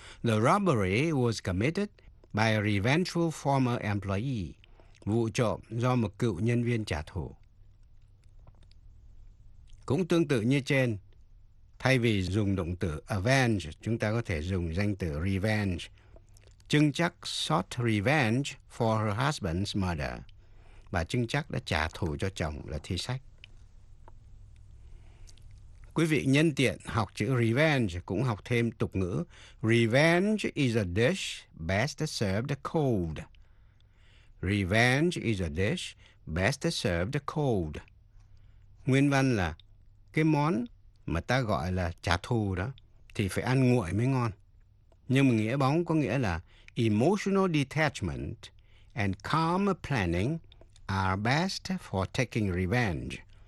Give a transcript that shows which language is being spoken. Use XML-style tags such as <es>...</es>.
<en>The robbery was committed by a revengeful former employee.</en> <vi>Vụ trộm do một cựu nhân viên trả thù. Cũng tương tự như trên, thay vì dùng động từ avenge, chúng ta có thể dùng danh từ revenge.</vi> <en>Trưng chắc sought revenge for her husband's murder.</en> <vi>Bà Trưng chắc đã trả thù cho chồng là thi sách. Quý vị nhân tiện học chữ revenge cũng học thêm tục ngữ.</vi> <en>Revenge is a dish best served cold. Revenge is a dish best served cold.</en> <vi>Nguyên văn là cái món mà ta gọi là trả thù đó thì phải ăn nguội mới ngon. Nhưng mà nghĩa bóng có nghĩa là</vi> <en>emotional detachment and calm planning are best for taking revenge.</en>